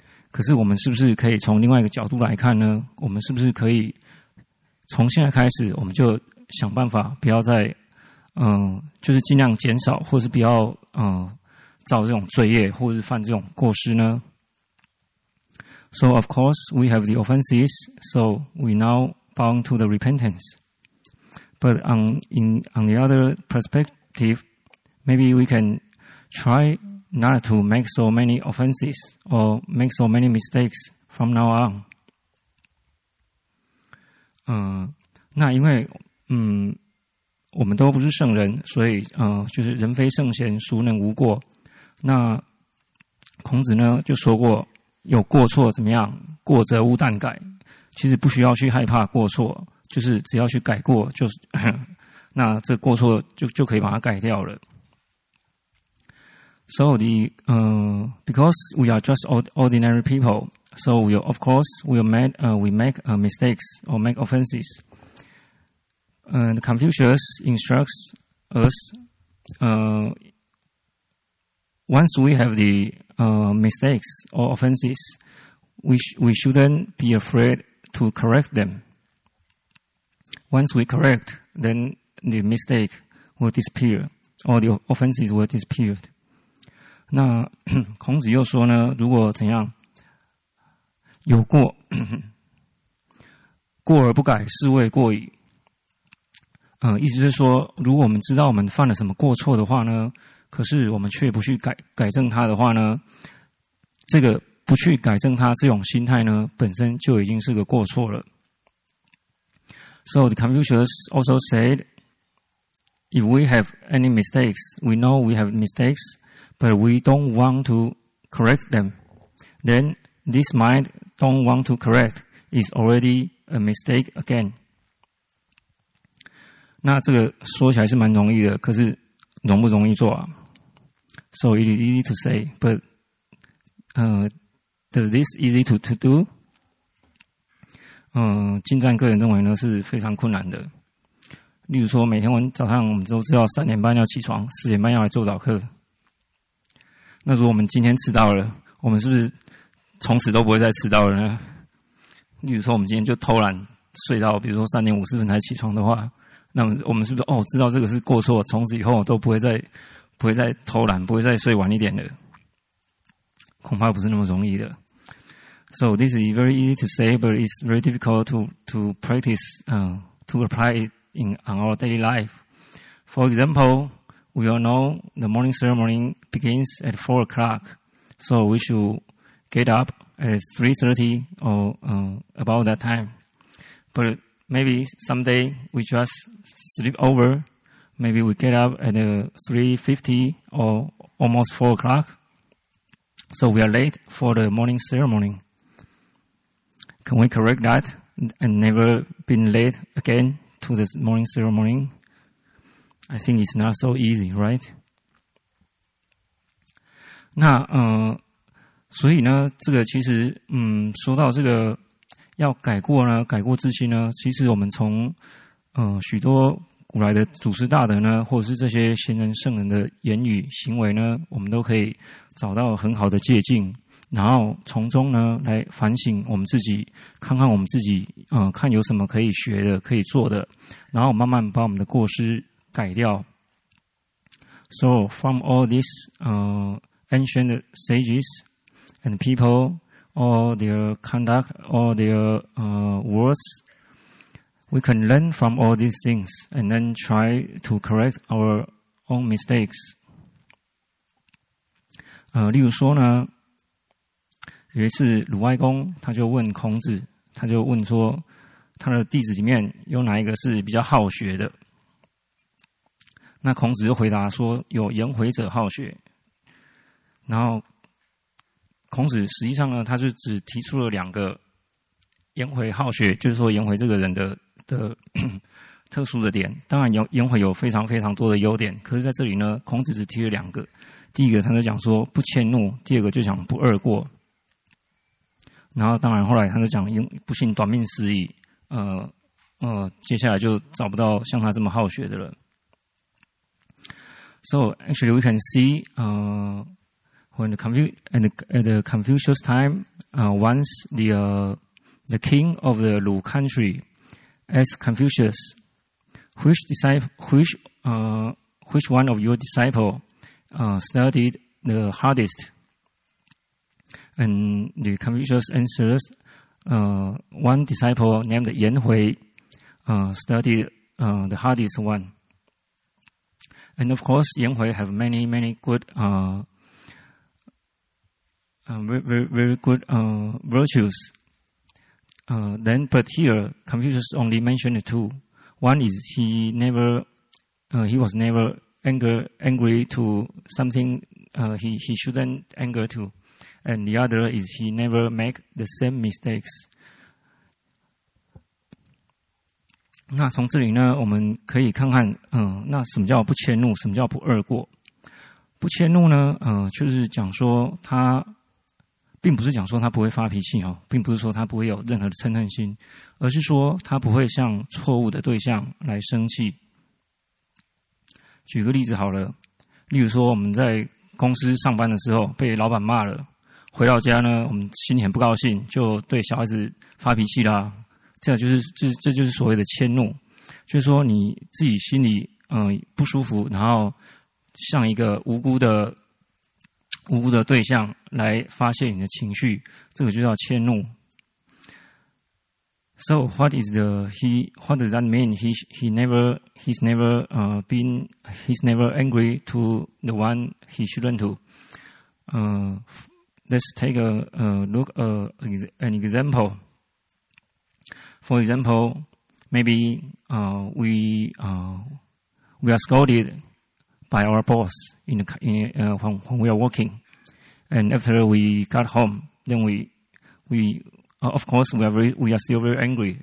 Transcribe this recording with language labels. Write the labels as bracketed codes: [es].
[zh] 可是我们是不是可以从另外一个角度来看呢？我们是不是可以从现在开始，我们就想办法不要再就是尽量减少，或是不要造这种罪业，或是犯这种过失呢？ [en] So of course, we have the offenses, so we now bound to the repentance. But on the other perspective, maybe we can try not to make so many offenses or make so many mistakes from now on. [zh] 那因为我们都不是圣人，所以就是人非圣贤，孰能无过？那孔子呢就说过，有过错怎么样？过则勿惮改。其实不需要去害怕过错，就是只要去改过，就是那这过错就可以把它改掉了。 [en] So the because we are just ordinary people, so we make mistakes or make offenses. And Confucius instructs us, once we have the mistakes or offenses, we shouldn't be afraid to correct them. Once we correct, then the mistake will disappear, or the offenses will disappear. [zh] 那孔子又说呢，如果怎样，有过，过而不改，是谓过矣。意思是说，如果我们知道我们犯了什么过错的话呢，可是我们却不去改正它的话呢，这个不去改正它这种心态呢，本身就已经是个过错了。 [en] So the Confucius also said, if we have any mistakes, we know we have mistakes, but we don't want to correct them, then this mind don't want to correct is already a mistake again. [zh] 那这个说起来是蛮容易的，可是容不容易做啊 ？ [en] So it is easy to say, but does this easy to do? [zh] 进站个人认为呢是非常困难的。例如说，每天早上我们都知道三点半要起床，四点半要来做早课。那如果我们今天迟到了，我们是不是从此都不会再迟到了呢？例如说，我们今天就偷懒睡到，比如说三点五十分才起床的话。那我们是不是知道这个是过错，从此以后都不会再偷懒，不会再睡晚一点了？恐怕不是那么容易的。 [en] So this is very easy to say, but it's very difficult to practice, to apply it on our daily life. For example, we all know the morning ceremony begins at 4 o'clock, so we should get up at 3:30 or about that time. But maybe someday we just sleep over. Maybe we get up at 3:50 or almost 4 o'clock. So we are late for the morning ceremony. Can we correct that and never been late again to the morning ceremony? I think it's not so easy, right? [zh] 那所以呢，这个其实说到这个。要改过呢，改过自新呢，其实我们从许多古来的祖师大德呢，或者是这些贤人圣人的言语行为呢，我们都可以找到很好的借镜，然后从中呢来反省我们自己，看看我们自己看有什么可以学的可以做的，然后慢慢把我们的过失改掉。 [en] So from all these ancient sages and peopleAll their conduct, all their words, we can learn from all these things and then try to correct our own mistakes. [zh] 例如说呢，有一次鲁哀公他就问孔子，他就问说，他的弟子里面有哪一个是比较好学的？那孔子就回答说，有颜回者好学。然后孔子实际上呢，他是只提出了两个颜回好学，就是说颜回这个人的特殊的点。当然颜回有非常非常多的优点，可是在这里呢，孔子只提了两个。第一个他就讲说不迁怒，第二个就讲不贰过。然后当然后来他就讲不幸短命失矣，接下来就找不到像他这么好学的了。 [en] So actually we can see, When the Confucius time, once the king of the Lu country asked Confucius, which one of your disciples studied the hardest? And the Confucius answers, one disciple named Yan Hui studied the hardest one. And of course, Yan Hui have many, many good, very good virtues. But here, Confucius only mentioned two. One is he was never angry to something he shouldn't anger to. And the other is he never make the same mistakes. [zh] 那从这里呢，我们可以看看，那什么叫不迁怒，什么叫不贰过？不迁怒呢，就是讲说他，并不是讲说他不会发脾气哈，并不是说他不会有任何的嗔恨心，而是说他不会向错误的对象来生气。举个例子好了，例如说我们在公司上班的时候被老板骂了。回到家呢，我们心里很不高兴，就对小孩子发脾气啦。这就是所谓的迁怒，就是说你自己心里不舒服，然后像一个无辜的对象来发泄你的情绪，这个就叫迁怒。 [en] So what is the he? What does that mean? He's never angry to the one he shouldn't to. Let's take an example. For example, maybe we are scolded by our boss when we are working, and after we got home, then we are still very angry.